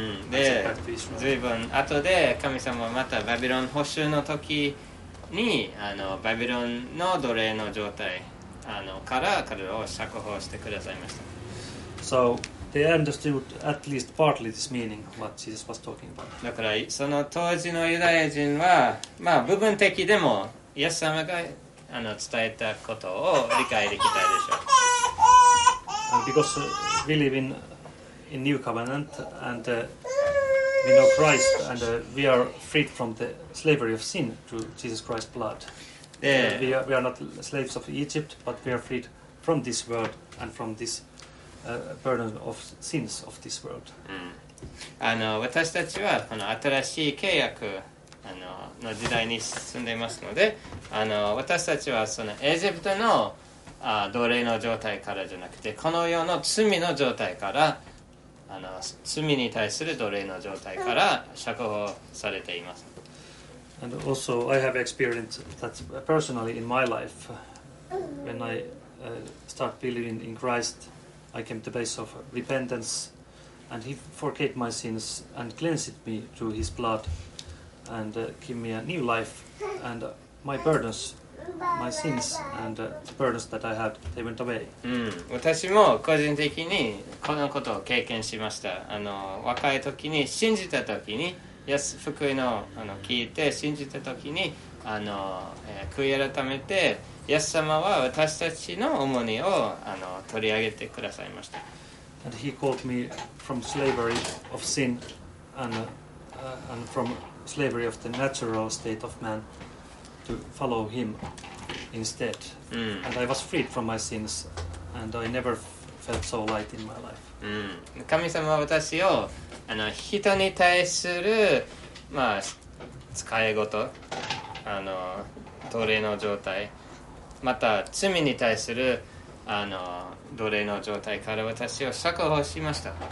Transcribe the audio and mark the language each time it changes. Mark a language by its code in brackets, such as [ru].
[ja] で、ずいぶん後で神様はまたバビロン捕囚の時にあのバビロンの奴隷の状態あのから彼らを釈放してくださいました。 [en] So they understood at least partly this meaning of what Jesus was talking about. [ja] だからその当時のユダヤ人はまあ部分的でもイエス様があの伝えたことを理解できたでしょう。 [en] Because we live in new covenant and we know Christ and we are freed from the slavery of sin through Jesus Christ's blood. We are not slaves of Egypt, but we are freed from this world and from this burden of sins of this world. [ja] あの私たちはこの新しい契約あの、の時代に住んでいますので、あの私たちはそのエジプトの奴隷の状態からじゃなくてこの世の罪の状態からあの罪に対する奴隷の状態から釈放されています。 [en] And also I have experienced that personally in my life when I start believing in Christ I came to the base of repentance and he forgave my sins and cleansed me through his blood and gave me a new life and my burdensMy sins and the burdens that I had, they went away. [ja] うん、私も個人的にこのことを経験しました。あの若い時に信じた時に、イエス福音のあの聞いて信じた時に、あの悔い改めて、イエス様は私たちの重荷をあの取り上げてくださいました。 [en] And he called me from slavery of sin and from slavery of the natural state of man. To follow him instead. Mm. And I was freed from my sins, and I never felt so light in my life. Mm. [ja] 神様は私をあの人に対する、まあ、使い事あの奴隷の状態また罪に対するあの奴隷の状態から私を釈放しました。